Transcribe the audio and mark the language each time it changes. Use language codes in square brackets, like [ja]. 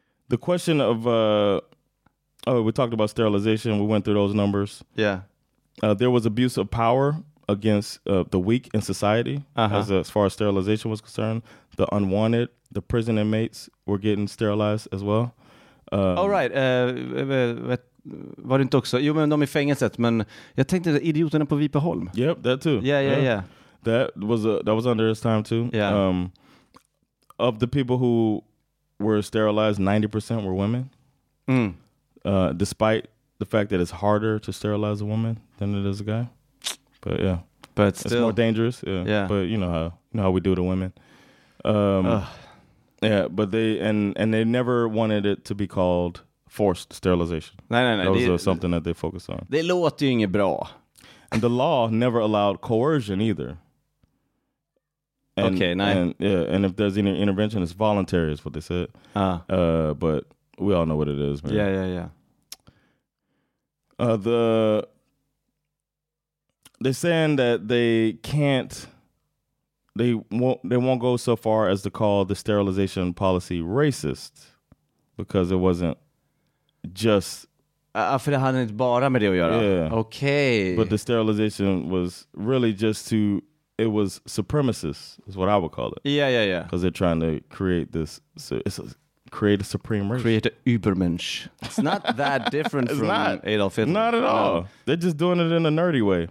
[en] The question of we talked about sterilization. We went through those numbers. Yeah. There was abuse of power against the weak in society, as far as sterilization was concerned. The unwanted, the prison inmates were getting sterilized as well. Right. [sv] Var det inte också? Jo, men de i fängelset. Men jag tänkte idioterna på Vipeholm. [en] Yep, that too. Yeah. That was under his time too. Yeah. Of the people who were sterilized, 90% were women. Mm. Despite the fact that it's harder to sterilize a woman than it is a guy. But yeah. But still. It's more dangerous. Yeah. Yeah. But you know how we do to women. Yeah, but they never wanted it to be called forced sterilization. [sv] Nej. [en] That was something that they focused on. [sv] Det låter ju inget bra. [en] And the law never allowed coercion either. And if there's any intervention, it's voluntary, is what they said. But we all know what it is, man. Yeah. They're saying that they won't go so far as to call the sterilization policy racist because it wasn't just [sv] för det hade inte bara med det att göra. [en] Okay. But the sterilization was really just it was supremacist is what I would call it. Yeah. Because they're trying to create this create a supreme race. Create a Übermensch. It's not that different it's from not, Adolf Hitler. Not at all. No. They're just doing it in a nerdy way.